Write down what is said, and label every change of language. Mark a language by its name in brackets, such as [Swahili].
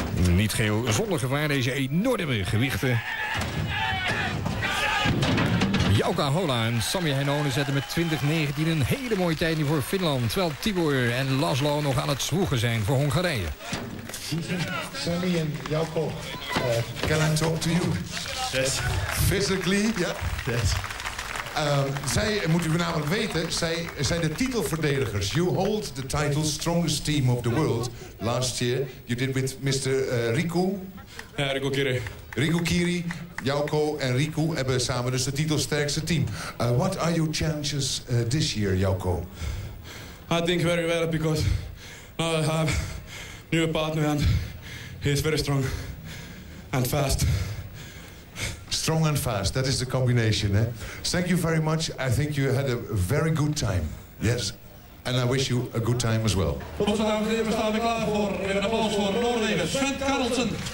[Dutch] Niet geheel zonder gevaar deze enorme gewichten. Jouko Ahola en Sami Heinonen zetten met 2019 een hele mooie tijd nu voor Finland. Terwijl Tibor en Laszlo nog aan het zwoegen zijn voor Hongarije. [English] Sami en Jouko, can I talk to you? Yes. Physically, ja. Yeah. Yes. [Dutch] Zij, moet u namelijk weten, zij zijn de titelverdedigers. [English] You hold the title strongest team of the world. Last year, you did with Mr. Riku. [Dutch] Ja, Riku Kiri. Riku Kiri, Jouko en Riku hebben samen dus de titelsterkste team. [English] What are your chances this year, Jouko? I think very well, because I have a new partner and he is very strong and fast. Strong and fast, that is the combination, eh? Thank you very much. I think you had a very good time. Yes. And I wish you a good time as well. [Dutch] We staan er klaar voor. We hebben applaus voor Noorwegen, Sven Karlsen.